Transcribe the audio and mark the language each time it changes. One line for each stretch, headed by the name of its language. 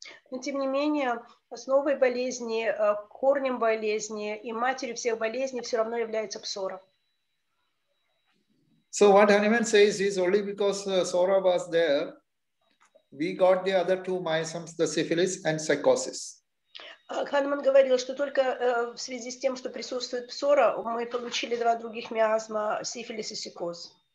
Russian: Но тем не менее, основой болезни, корнем болезни и матерью всех болезней все равно является псора.
English: So what Hanuman says is only because psora was there, we got the other two miasms, the syphilis and psychosis.
Russian: Ханеман говорил, что только в связи с тем, что присутствует псора, мы получили два других миазма, сифилис и сикоз.